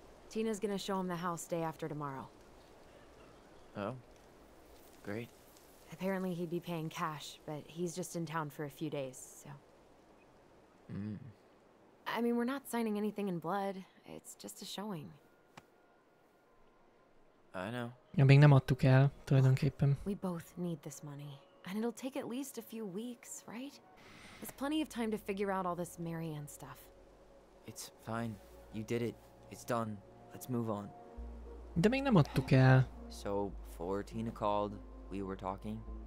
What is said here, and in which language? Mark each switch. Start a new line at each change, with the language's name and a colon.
English: Tina's gonna show him the house day after tomorrow. Oh, great. Apparently he'd be paying cash, but he's just in town for a few days, so... Hmm. I mean, we're not signing anything in blood. It's just a showing. I know.
Hungarian: Ja, még nem adtuk el, tulajdonképpen.
English: We both need this money. And it'll take at least a few weeks, right? There's plenty of time to figure out all this Marianne stuff. It's fine. You did it. It's done. Let's move on.
Hungarian: De még nem adtuk el.
English: So, before Tina called, we were talking?